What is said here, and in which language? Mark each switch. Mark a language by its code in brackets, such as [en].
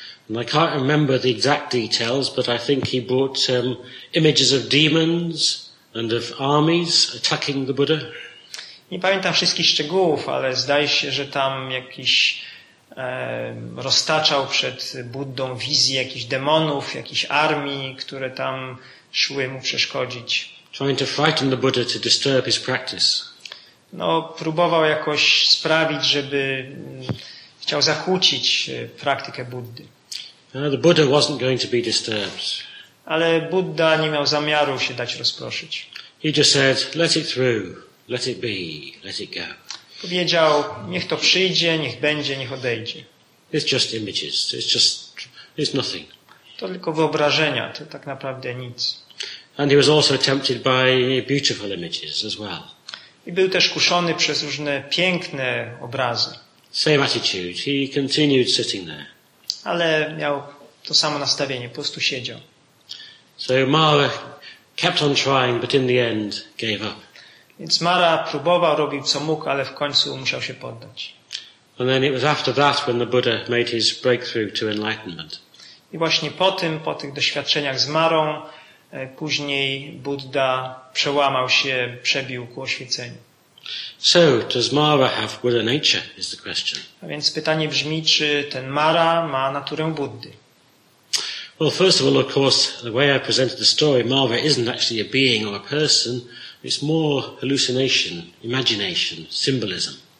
[en] And I can't remember the exact details, but I think he brought images of demons and of armies attacking the Buddha. [pl] Nie pamiętam wszystkich szczegółów, ale zdaje się, że tam jakiś roztaczał przed Buddą wizję jakichś demonów, jakichś armii, które tam szły mu przeszkodzić. [en] Trying to frighten the Buddha to disturb his practice. [pl] No, próbował jakoś sprawić, żeby chciał zakłócić praktykę Buddy. [en] The Buddha wasn't going to be disturbed. [pl] Ale Buddha nie miał zamiaru się dać rozproszyć. [en] He just said, let it through. Let it be, let it go. [pl] Powiedział, niech to przyjdzie, niech będzie, niech odejdzie. [en] It's just images. It's nothing. [pl] To tylko wyobrażenia, to tak naprawdę nic. [en] And he was also tempted by beautiful images as well. [pl] I był też kuszony przez różne piękne obrazy. [en] Same attitude. He continued sitting there. [pl] Ale miał to samo nastawienie, po prostu siedział. [en] So Mara kept on trying, but in the end gave up. [pl] Więc Mara próbował, robił co mógł, ale w końcu musiał się poddać. [en] And then it was after that when the Buddha made his breakthrough to enlightenment. [pl] I właśnie po tych doświadczeniach z Marą, później Buddha przełamał się, przebił ku oświeceniu. [en] So, does Mara have Buddha nature, is the question. [pl] A więc pytanie brzmi, czy ten Mara ma naturę Buddy? [en] Well, first of all, of course, the way I presented the story, Mara isn't actually a being or a person. It's more hallucination, imagination, symbolism.